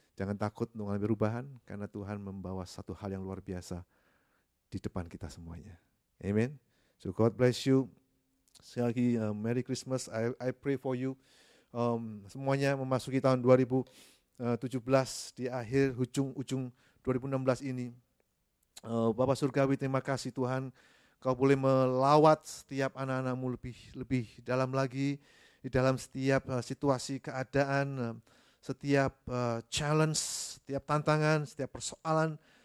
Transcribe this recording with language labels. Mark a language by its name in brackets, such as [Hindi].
[Indonesian] Jangan takut mengalami perubahan karena Tuhan membawa satu hal yang luar biasa di depan kita semuanya, amen. [English] So God bless you. [Indonesian] Sekali lagi, [English] Merry Christmas. I pray for you. [Indonesian] semuanya memasuki tahun 2017 di akhir ujung 2016 ini. Bapa Surgawi, terima kasih Tuhan, Kau boleh melawat setiap anak-anak-Mu lebih dalam lagi di dalam setiap situasi, keadaan, setiap challenge, setiap tantangan, setiap persoalan.